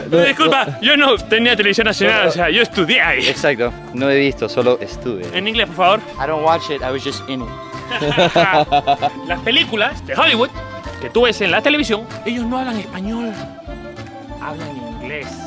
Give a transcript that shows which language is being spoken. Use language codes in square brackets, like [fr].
[es] disculpa, yo no tenía televisión nacional, o sea, yo estudié ahí. Exacto, no he visto, solo estuve. En inglés, por favor. [en] I don't watch it, I was just in it. [es] Las películas de Hollywood que tú ves en la televisión, ellos no hablan español, hablan inglés.